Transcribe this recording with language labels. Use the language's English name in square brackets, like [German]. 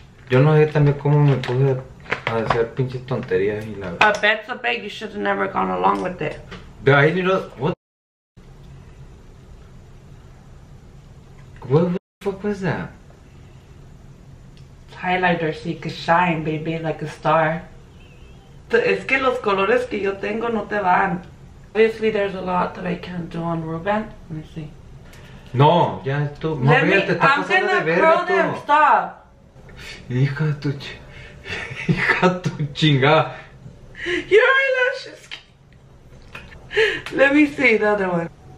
[Spanish] Yo no sé también cómo me puse a hacer pinches tonterías y la. [English] A bet's a bet. You should have never gone along with it. But I need a. What the fuck was that? It's highlighter so you can shine, baby, like a star. [Spanish] Es que los colores que yo tengo no te van. [English] Obviously, there's a lot that I can't do on Ruben. Let me see. [Spanish] No, ya tú. [English] Let me. I'm gonna curl them. Stop. [Spanish] Hija de tu. Hija de tu chinga. [English] Your eyelashes. Let me see the other one.